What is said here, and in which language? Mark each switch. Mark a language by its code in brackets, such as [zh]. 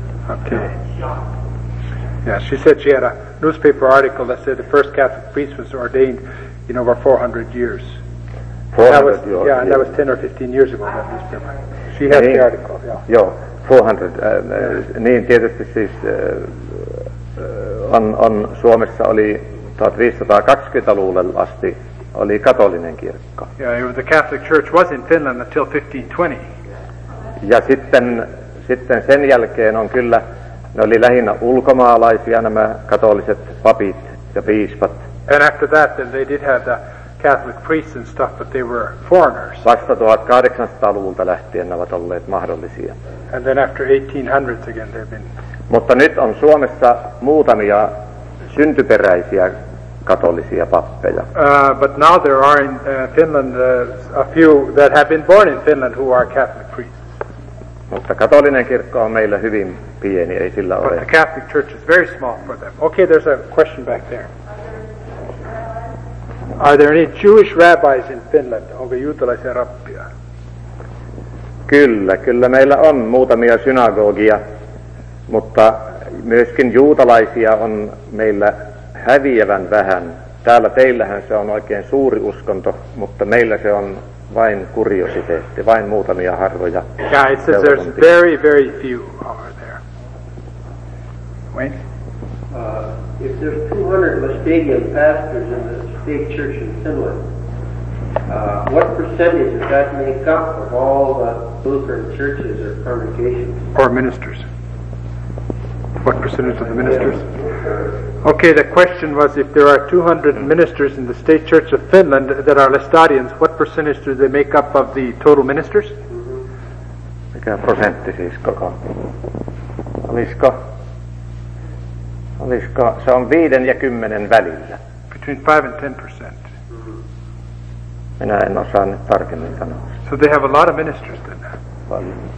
[en] Okay. Yeah, she said she had a newspaper article that said the first Catholic priest was ordained in over 400 years. 400 that was, years. Yeah, and that was 10 or 15 years ago, that newspaper. She had the article, yeah. [fi] Joo, 400. Niin, tietysti siis on Suomessa oli 1520-luvulle asti. Oli katolinen kirkko. [en] Yeah, the Catholic Church was in Finland until 1520. [fi] Ja sitten sen jälkeen on kyllä, ne oli lähinnä ulkomaalaisia nämä katoliset papit ja piispat. [en] And after that then they did have the Catholic priests and stuff, but they were foreigners. [fi] Vasta 1800-luvulta lähtien ne ovat olleet mahdollisia. [en] And then after 1800s again they've been. [fi] Mutta nyt on Suomessa muutamia syntyperäisiä katolisia pappeja. [en] But now there are in Finland a few that have been born in Finland who are Catholic priests. [fi] Mutta katolinen kirkko on meillä hyvin pieni, ei sillä ole. [en] But the Catholic Church is very small for them. Okay, there's a question back there. Are there any Jewish rabbis in Finland? [fi] Onko juutalaisia rabbia? Kyllä meillä on muutamia synagogia, mutta myöskin juutalaisia on meillä häviävän vähän. Täällä teillähän se on oikein suuri uskonto, mutta meillä se on vain kuriositeetti, vain muutamia harvoja. [en] Yeah, it says there's very, very few over there. Wayne? If there's 200 Lestadian pastors in the state church in Finland, what percentage does that make up of all the Lutheran churches or congregations? Or ministers. What percentage of the ministers? Okay, the question was if there are 200 ministers in the State Church of Finland that are Lestadians, what percentage do they make up of the total ministers? [fi] Mikä prosentti siis koko? Olisiko, se on 5 ja 10 välillä. [en] Between 5 and 10%. [fi] Minä en osaa nyt tarkemmin sanoa. [en] So they have a lot of ministers then?